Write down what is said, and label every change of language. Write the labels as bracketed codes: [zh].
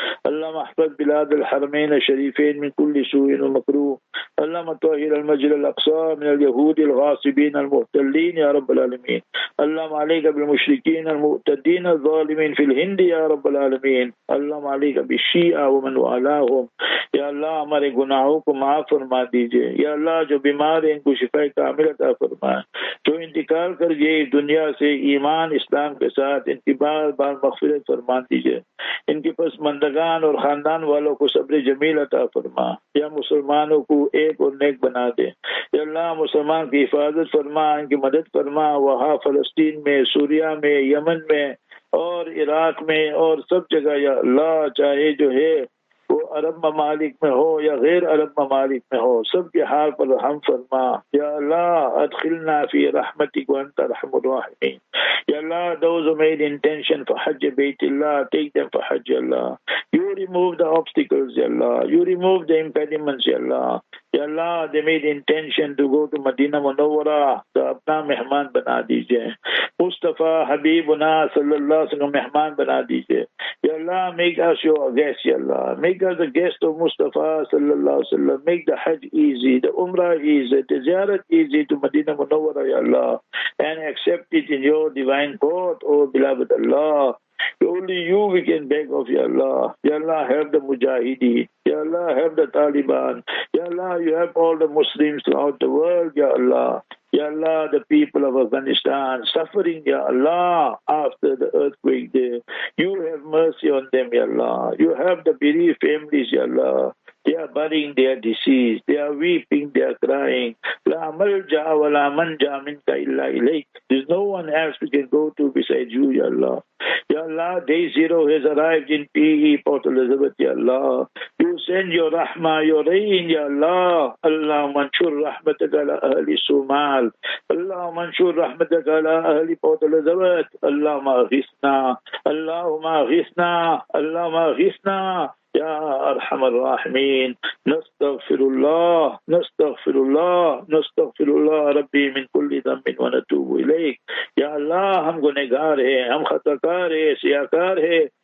[ar] اللهم احفظ بلاد الحرمين الشريفين من كل سوء ومكروه. اللهم طهر المسجد الأقصى من اليهود الغاصبين المحتلين يا رب العالمين. اللهم عليك بالمشركين المعتدين الظالمين في الهند يا رب العالمين. اللهم عليك بالشيعة ومن والاهم. [ur] یا اللہ ہمارے گناہوں کو معاف فرما دیجئے. یا اللہ جو بیمار ہیں ان کو شفا کامل عطا فرمائے. جو انتقال کر گئے دنیا سے ایمان اسلام کے ساتھ ان کی بار بار مغفرت فرما دیجئے. ان کے پس مندگان اور خاندان والوں کو صبر جمیل عطا فرما. یا مسلمانوں کو ایک اور نیک بنا دے. یا اللہ مسلمان کی حفاظت فرما, ان کی مدد فرما, وہاں فلسطین میں, سوریہ میں, یمن میں اور عراق میں اور سب جگہ یا اللہ, چاہے جو ہے وہ عرب ممالک میں ہو یا غیر عرب ممالک میں ہو, سب کے حال پر رحم فرما. [ar] یا اللہ ادخلنا فی رحمتک وانت ارحم الراحمین. [en] یا اللہ those who made intention for حج بیت اللہ, take them for حج اللہ. You remove the obstacles, یا اللہ. You remove the impediments, یا اللہ. یا اللہ they made intention to go to مدینہ منورہ, [ur] تو اپنا مہمان بنا دیجئے. مصطفی حبیبنا صلی اللہ علیہ وسلم مہمان بنا دیجئے. [en] یا اللہ make us your guest, یا اللہ. Make us the guest of Mustafa صلی اللہ علیہ وسلم. Make the Hajj easy, the Umrah easy, the زیارت easy to مدینہ منورہ, یا اللہ. And accept it in your divine court, oh beloved Allah. Only you we can beg of, ya Allah. Ya Allah, help the Mujahideen. Ya Allah, help the Taliban. Ya Allah, you help all the Muslims throughout the world, ya Allah. Ya Allah, the people of Afghanistan suffering, ya Allah, after the earthquake there. You have mercy on them, ya Allah. You help the bereaved families, ya Allah. They are burying their deceased. They are weeping. They are crying. [ar] لا ملجا ولا منجا منك إلا إليك. [en] There's no one else we can go to besides you, ya Allah. Ya Allah, day zero has arrived in PE, Port Elizabeth, ya Allah. You send your rahmah, your rain, ya Allah. [ar] Allah manshur rahmataka ala ahli Somal. Allah manshur rahmataka ala ahli Port Elizabeth. Allah maghisna. Allah maghisna. Allah maghisna. يا أرحم الراحمين. نستغفر الله, نستغفر الله, نستغفر الله ربي من كل ذنب ونتوب إليك. [ur] يا الله هم گنہگار ہیں, ہم خطاکار ہیں, سیاکار ہیں.